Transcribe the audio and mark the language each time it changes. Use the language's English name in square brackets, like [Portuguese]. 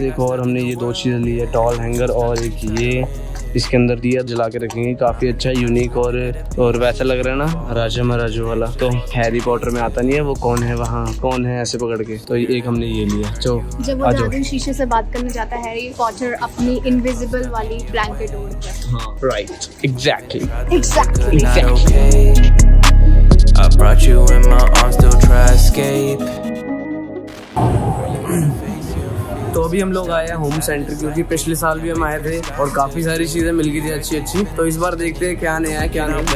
[Hindi] एक और हमने ये दो चीज ली है, टॉल हैंगर और एक ये, इसके अंदर दिया जला के रखेंगे, काफी अच्छा यूनिक और वैसा लग रहा है ना राजा महाराजा वाला, तो हैरी पॉटर में आता नहीं है वो कौन है वहाँ कौन है ऐसे पकड़ के, तो एक हमने ये लिया। जो जब वो दादी शीशे से बात करने जाता है हैरी पॉटर अपनी इनविजिबल वाली blanket ओढ़कर, [English] Right exactly exactly I brought you in my arms, still try escape. [Hindi] तो अभी हम लोग आए हैं होम सेंटर, क्योंकि पिछले साल भी हम आए थे और काफी सारी चीजें मिल गई थी अच्छी अच्छी, तो इस बार देखते हैं क्या नया है क्या